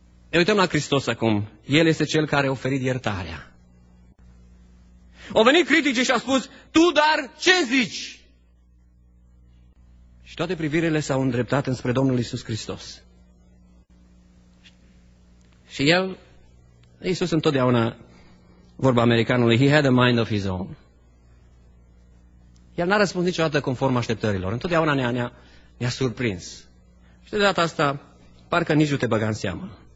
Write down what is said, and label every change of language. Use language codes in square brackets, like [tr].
[ro] Ne uităm la Hristos acum. El este cel care a oferit iertarea. Au venit criticii și a spus, tu dar ce zici? Și toate privirile s-au îndreptat înspre Domnul Iisus Hristos. Și el, Iisus întotdeauna, vorba americanului, [en] he had a mind of his own. [ro] El n-a răspuns niciodată conform așteptărilor. Întotdeauna ne-a surprins. Și de data asta, parcă nici nu te băga în seamă.